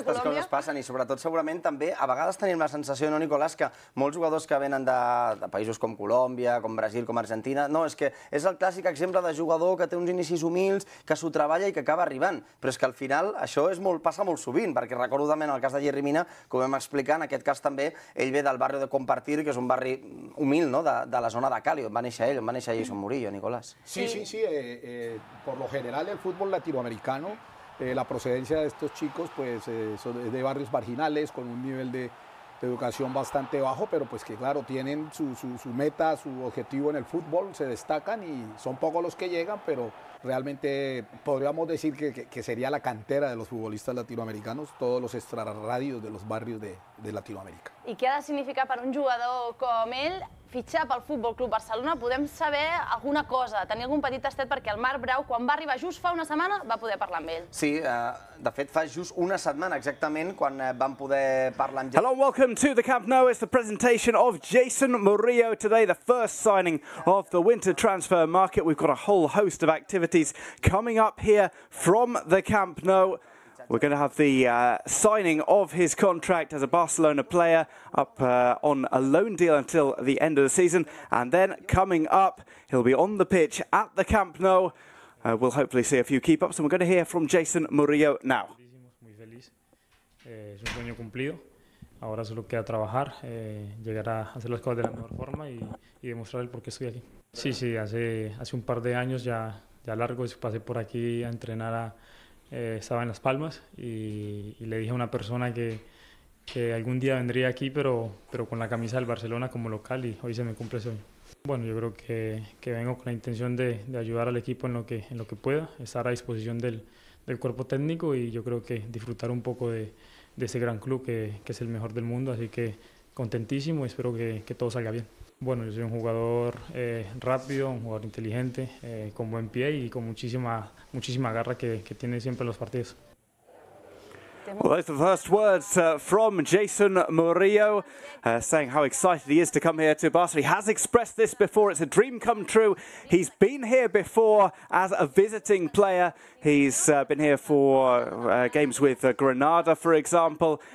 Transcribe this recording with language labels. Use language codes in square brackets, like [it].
[ca] Aquestes coses passen i sobretot segurament també a vegades tenim la sensació, no, Nicolás, que molts jugadors que venen de països com Colòmbia, com Brasil, com Argentina, no, és que és el clàssic exemple de jugador que té uns inicis humils, que s'ho treballa i que acaba arribant. Però és que al final això passa molt sovint, perquè recordo també en el cas de Jerry Mina, com hem explicat, en aquest cas també, ell ve del barri de Compartir, que és un barri humil, no?, de la zona de Cali, on va néixer ell, on va néixer Jason Murillo, Nicolás. Sí, sí, sí. [es] Por lo general, el fútbol latinoamericano, la procedencia de estos chicos, pues, es de barrios marginales, con un nivel de educación bastante bajo, pero pues que claro, tienen su meta, su objetivo en el fútbol, se destacan y son pocos los que llegan, pero realmente podríamos decir que sería la cantera de los futbolistas latinoamericanos, todos los extrarradios de los barrios de Latinoamérica. ¿Y qué ha de significar para un jugador como él [ca] fitxar pel [es] Futbol Club Barcelona? [ca] Podem saber alguna cosa, tenir algun petit tastet, perquè el Marc Brau, quan va arribar just fa una setmana, va poder parlar amb ell. Sí, de fet, fa just una setmana, exactament, quan vam poder parlar amb... [en] Hello, welcome to the Camp Nou. It's the presentation of Jason Murillo today, the first signing of the winter transfer market. We've got a whole host of activities coming up here from the Camp Nou. We're going to have the signing of his contract as a Barcelona player up on a loan deal until the end of the season. And then coming up, he'll be on the pitch at the Camp Nou. We'll hopefully see a few keep-ups. And we're going to hear from Jason Murillo now. [es] Es un sueño cumplido. Ahora solo queda trabajar, llegar a hacer las cosas de la mejor forma y demostrar el por qué estoy aquí. Sí, sí, hace un par de años ya largo, pasé por aquí a entrenar, estaba en Las Palmas y le dije a una persona que algún día vendría aquí, pero con la camisa del Barcelona como local y hoy se me cumple ese sueño. Bueno, yo creo que vengo con la intención de ayudar al equipo en lo que pueda, estar a disposición del cuerpo técnico y yo creo que disfrutar un poco de ese gran club que es el mejor del mundo, así que contentísimo y espero que todo salga bien. Bueno, yo soy un jugador rápido, un jugador inteligente, con buen pie y con muchísima garra que tiene siempre en los partidos. [en] Well, those are the first words from Jason Murillo, saying how excited he is to come here to Barcelona. He has expressed this before. It's a dream come true. He's been here before as a visiting player. He's been here for games with Granada, for example.